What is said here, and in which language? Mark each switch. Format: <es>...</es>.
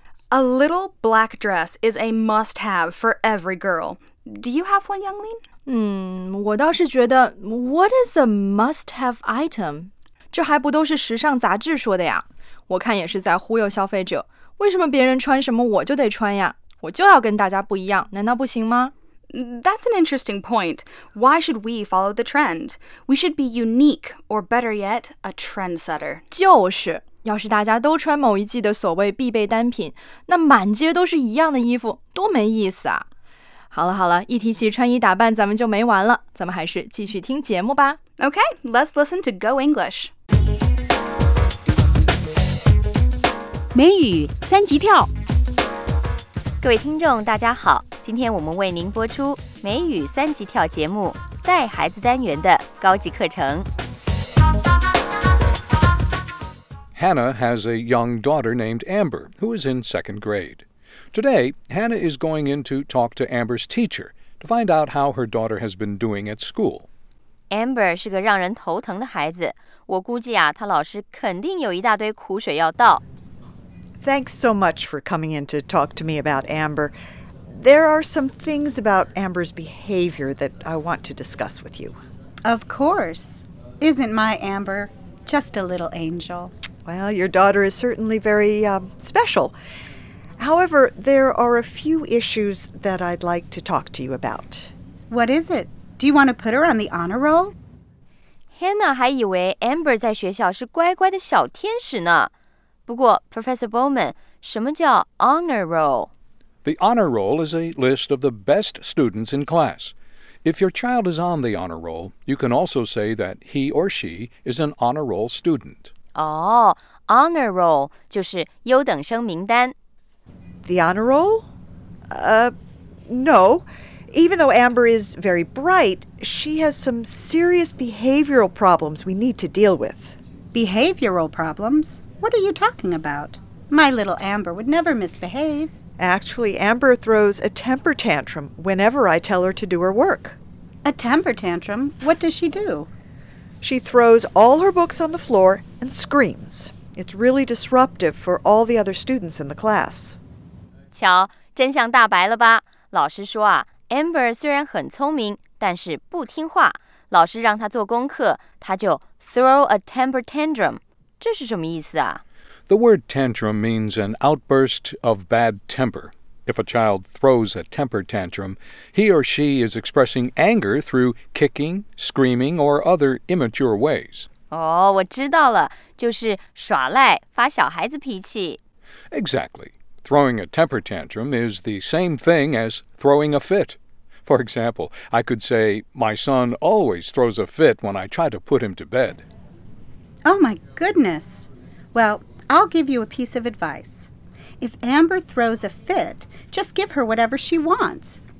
<en>A little black dress is a must-have for every girl. Do you have one, Yanglin?</en> <zh>我倒是觉得</zh> <en>what is a must-have item?</en> <zh>这还不都是时尚杂志说的呀，我看也是在忽悠消费者，为什么别人穿什么我就得穿呀，我就要跟大家不一样，难道不行吗？</zh> <en>That's an interesting point. Why should we follow the trend? We should be unique, or better yet, a trendsetter.</en> <zh>就是，要是大家都穿某一季的所谓必备单品，那满街都是一样的衣服，多没意思啊。好了好了，一提起穿衣打扮咱们就没完了，咱们还是继续听节目吧。</zh> <en>Okay, let's listen to Go English.</en> <zh>美语三级跳。各位听众大家好，今天我们为您播出美语三级跳节目带孩子单元的高级课程。</zh> <en>Hannah has a young daughter named Amber, who is in second grade. Today, Hannah is going in to talk to Amber's teacher to find out how her daughter has been doing at school.</en> <zh>Amber 是个让人头疼的孩子，我估计啊，他老师肯定有一大堆苦水要倒。</zh> <en>Thanks so much for coming in to talk to me about Amber. There are some things about Amber's behavior that I want to discuss with you. Of course. Isn't my Amber just a little angel? Well, your daughter is certainly very, special. However, there are a few issues that I'd like to talk to you about. What is it? Do you want to put her on the honor roll?</en> <zh>Hannah 还以为 Amber 在学校是乖乖的小天使呢。不过 Professor Bowman, 什么叫 honor roll?</zh> <en>The honor roll is a list of the best students in class. If your child is on the honor roll, you can also say that he or she is an honor roll student.</en> <zh>Oh, honor roll 就是优等生名单。</zh> <en>The honor roll? No. Even though Amber is very bright, she has some serious behavioral problems we need to deal with. Behavioral problems? What are you talking about? My little Amber would never misbehave. Actually, Amber throws a temper tantrum whenever I tell her to do her work. A temper tantrum? What does she do? She throws all her books on the floor and screams. It's really disruptive for all the other students in the class.</en> <zh>瞧，真相大白了吧？老师说啊，Amber 虽然很聪明，但是不听话。老师让她做功课，她就</zh> <en>throw a temper tantrum。</en> <zh>这是什么意思啊？</zh> <en>The word tantrum means an outburst of bad temper. If a child throws a temper tantrum, he or she is expressing anger through kicking, screaming, or other immature ways.</en> <zh>哦，我知道了，就是耍赖，发小孩子脾气。</zh> <en>Exactly. Throwing a temper tantrum is the same thing as throwing a fit. For example, I could say, my son always throws a fit when I try to put him to bed. Oh my goodness. Well, I'll give you a piece of advice. If Amber throws a fit, just give her whatever she wants.</en>